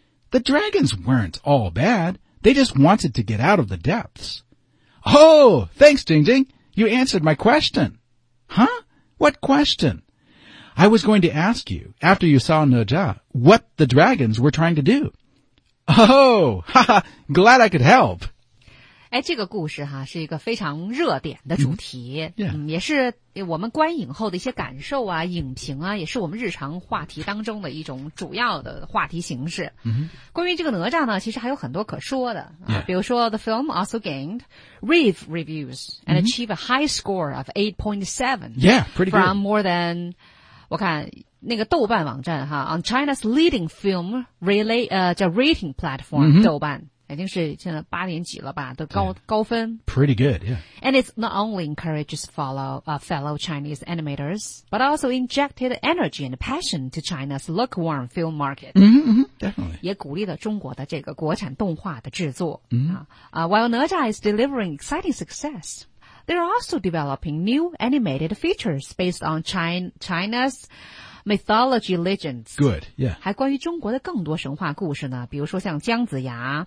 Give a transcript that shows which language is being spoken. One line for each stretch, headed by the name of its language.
English: The dragons weren't all bad, they just wanted to get out of the depths. Oh, thanks, Jing Jing, you answered my question. Huh? What question? I was going to ask you, after you saw Ne Zha, what the dragons were trying to do. Oh, haha, glad I could help.
Chinese: 哎，这个故事哈是一个非常热点的主题、也是我们观影后的一些感受啊影评啊也是我们日常话题当中的一种主要的话题形式。关于这个哪吒呢其实还有很多可说的、比如说
English: The film also gained rave reviews and achieved a high score of 8.7 Yeah, pretty good. From more than,
Chinese: 我看那个豆瓣网站哈
English: on China's leading film rating platform,、豆瓣。
Chinese: 已经是现在八年级了吧，都高、yeah. 高分。
English: Pretty good, yeah. And it's not only encourages fellow Chinese animators, but also injected energy and passion to China's lukewarm film market. Mm-hmm, definitely.
Chinese: 也鼓励了中国的这个国产动画的制作。 Mm-hmm.
English: While Neja is delivering exciting success,They're also developing new animated features based on China's mythology legends. Good, yeah.
Chinese: 还关于中国的更多神话故事呢，比如说像姜子牙、